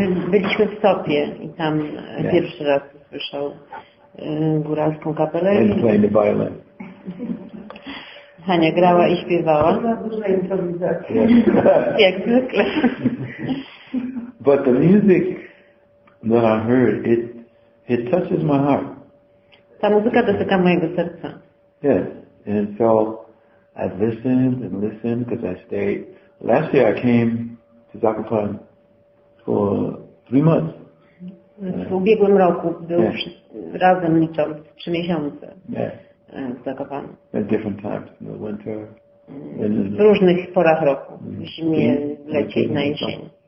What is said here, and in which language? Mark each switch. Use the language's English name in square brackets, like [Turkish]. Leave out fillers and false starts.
[Polish] Byliśmy w Sopie i tam yes. pierwszy raz usłyszał góralską kapelę. [English] And playing the violin. [Polish] Hania grała i śpiewała. To była duża improwizacja. Jak zwykle. [English] But the music that I heard, it touches my heart. [Polish] Ta muzyka dotyka mojego serca. [English] Yes. And so I listened and listened because I stayed. Last year I came to Zakopan for 3 months. [Polish] W ubiegłym roku był yes. razem licząc 3 miesiące [English] yes. [Polish] w Zakopanu. [English] At different times, in the winter. [Polish] W różnych porach roku, w zimie, w lecie i na jesień.